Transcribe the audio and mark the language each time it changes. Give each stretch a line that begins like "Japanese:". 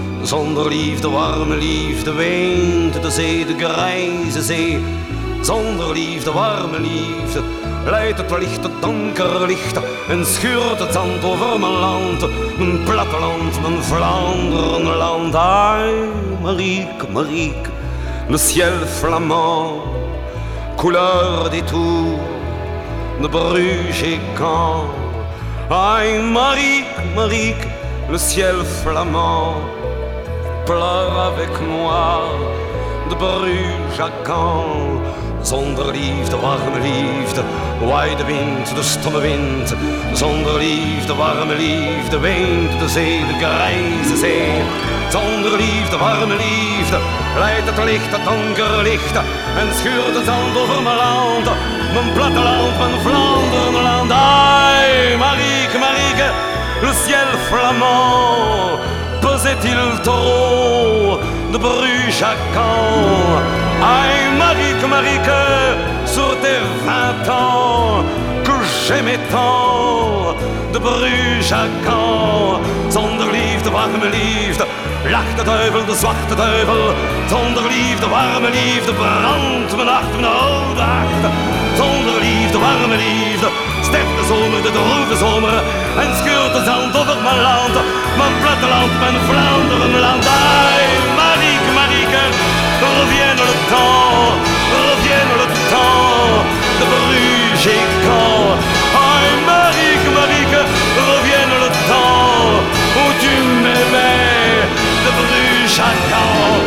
Dutch: Zonder liefde, warme liefde, weent de zee, de grijze zee. Zonder liefde, warme liefde, leidt het licht, het donker licht. En schuurt het zand over mijn land, mijn platteland, mijn Vlaanderen land.
French: Ai, Marieke, Marieke, le ciel flamand, couleur des tours, de Bruges et Caen. Ai, Marieke, Marieke, le ciel flamand, pleure avec moi, de Bruges à Caen.
Dutch: Zonder liefde, warme liefde, waait de wind, de stomme wind. Zonder liefde, warme liefde, weent de zee, de grijze zee. Zonder liefde, warme liefde, leidt het licht, het donker licht. En schuurt het zand over mijn land, mijn platteland, mijn Vlaanderenland.
French: Ai, Marieke, Marieke, le ciel flamand, pesait-il trop de Bruges à Caen? Ai, Marieke, Marieke, sur tes vingt ans, que j'aimais tant de Bruges à Caen.
Dutch: Zonder liefde, warme liefde, lacht de duivel, de zwarte duivel. Zonder liefde, warme liefde, brandt mijn hart, mijn oude hart. Zonder liefde, warme liefde, sterft de zomer, de droeve zomer. En scheurt de zand over mijn land, mijn platteland, mijn Vlaanderenland.
French: Ai, Marieke, Marieke, revient le temps, revient le temps de Bruges et Caen. Ai, Marieke, Marieke, revient le temps où tu m'aimais de Bruges à Caen.